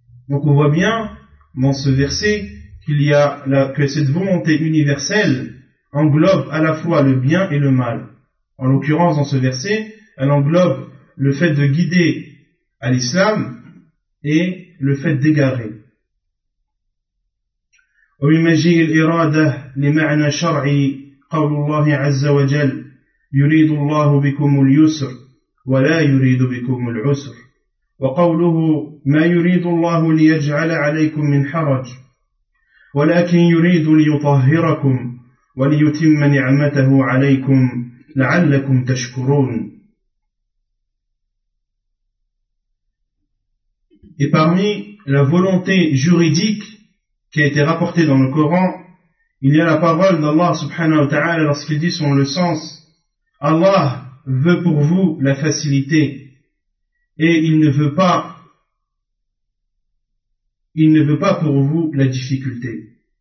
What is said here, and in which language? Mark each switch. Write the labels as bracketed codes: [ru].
[fr] Donc on voit bien dans ce verset que cette volonté universelle englobe à la fois le bien et le mal. En l'occurrence, dans ce verset, elle englobe le fait de guider à l'islam et le fait d'égarer. [ar] ومن مجيء الإرادة لمعنى شرعي قول الله عز وجل يريد الله بكم اليسر ولا يريد بكم العسر. وقوله ما يريد الله ليجعل عليكم من حرج ولكن يريد ليطهركم وليتم نعمته عليكم لعلكم تشكرون. [fr] Et parmi la volonté juridique qui a été rapportée dans le Coran, il y a la parole d'Allah subhanahu wa ta'ala lorsqu'il dit son le sens, Allah veut pour vous la facilité. Et il ne veut pas pour vous la difficulté.